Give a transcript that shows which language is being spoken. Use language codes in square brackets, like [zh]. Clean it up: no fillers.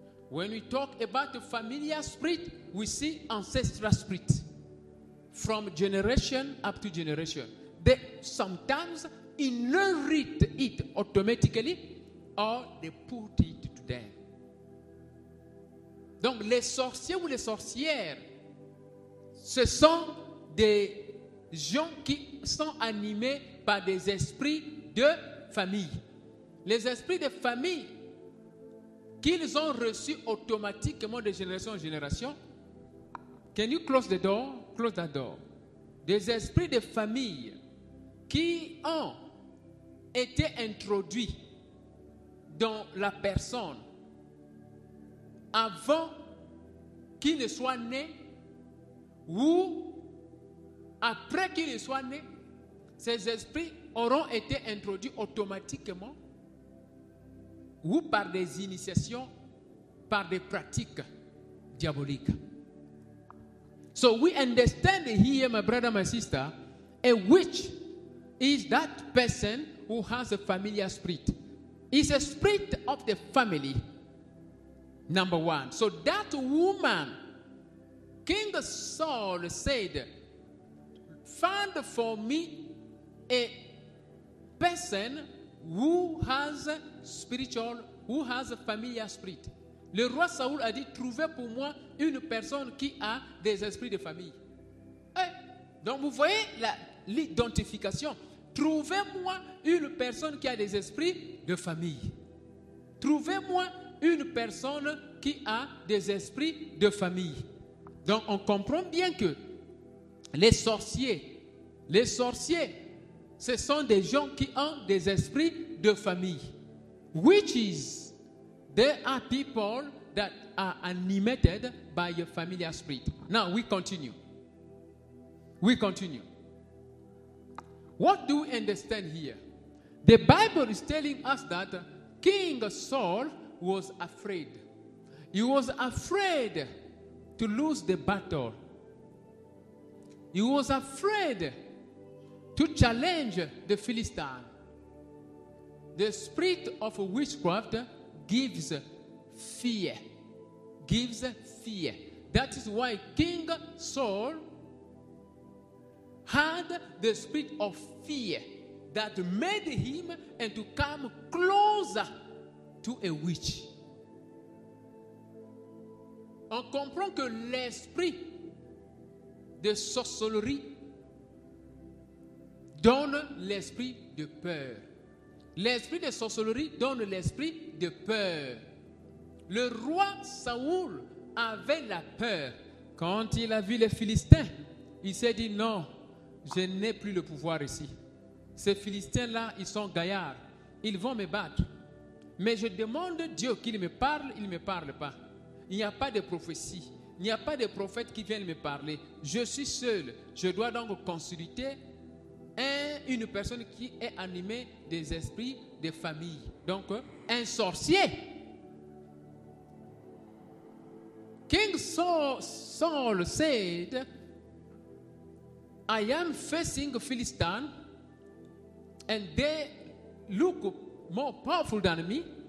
[en] When we talk about a familiar spirit, we see ancestral spirit from generation up to generation. They sometimes inherit it automatically or they put it to them. [fr] Donc les sorciers ou les sorcières, ce sont des gens qui sont animés par des esprits de famille. Les esprits de famille qu'ils ont reçus automatiquement de génération en génération. [en] Can you close the door? Close that door. [fr] Des esprits de famille qui ont été introduits dans la personne avant qu'il ne soit né ou après qu'il ne soit né, ces esprits auront été introduits automatiquement ou par des initiations, par des pratiques diaboliques. [en] So we understand here, my brother, my sister, a witch is that person who has a familiar spirit. It's a spirit of the family, number one. So that woman, King Saul said, find for me a person who has spiritual, who has a familiar spirit. [fr] Le roi Saul a dit, trouvez pour moi une personne qui a des esprits de famille. Hey. Donc vous voyez l'identification. Trouvez-moi une personne qui a des esprits de famille. Trouvez-moi une personne qui a des esprits de famille. Donc on comprend bien que les sorciers, ce sont des gens qui ont des esprits de famille. [en] Witches, they are people that are animated by a familiar spirit. Now we continue. What do we understand here? The Bible is telling us that King Saul was afraid. He was afraid to lose the battle. He was afraid to challenge the Philistine. The spirit of witchcraft gives fear. That is why King Saul had the spirit of fear that made him and to come closer to a witch. [fr] On comprend que l'esprit de sorcellerie donne l'esprit de peur. L'esprit de sorcellerie donne l'esprit de peur. Le roi Saoul avait la peur. Quand il a vu les Philistins, il s'est dit non, je n'ai plus le pouvoir ici. Ces Philistins-là, ils sont gaillards. Ils vont me battre. Mais je demande Dieu qu'il me parle, il ne me parle pas. Il n'y a pas de prophétie. Il n'y a pas de prophète qui vienne me parler. Je suis seul. Je dois donc consulter une personne qui est animée des esprits de famille. Donc, un sorcier. [en] King Saul said, I am facing Philistine and they look more powerful than me.